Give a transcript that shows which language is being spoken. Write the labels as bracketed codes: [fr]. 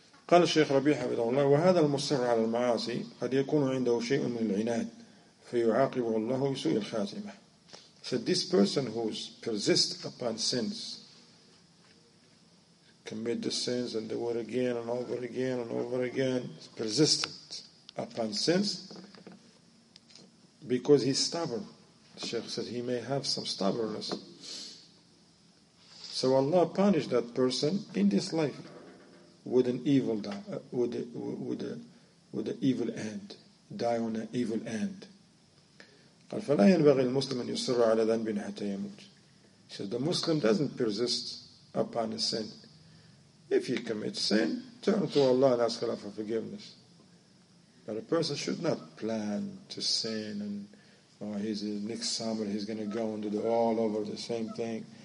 [ar] قال الشيخ ربيع حفظه الله وهذا المصر على المعاصي قد يكون عنده شيء من العناد فيعاقبه الله بسوء الخاتمة. [en] So this person who's persist upon sins, commit the sins and do it again and over again and over again, is persistent upon sins because he's stubborn. The Shaykh said he may have some stubbornness. So Allah punished that person in this life with an evil end, die on an evil end. [ar] قال فلا ينبغي المسلم أن يصر على ذنب حتى يموت. [en] He said the Muslim doesn't persist upon a sin. If you commit sin, turn to Allah and ask Allah for forgiveness. But a person should not plan to sin and he's next summer he's going to go and do all over the same thing.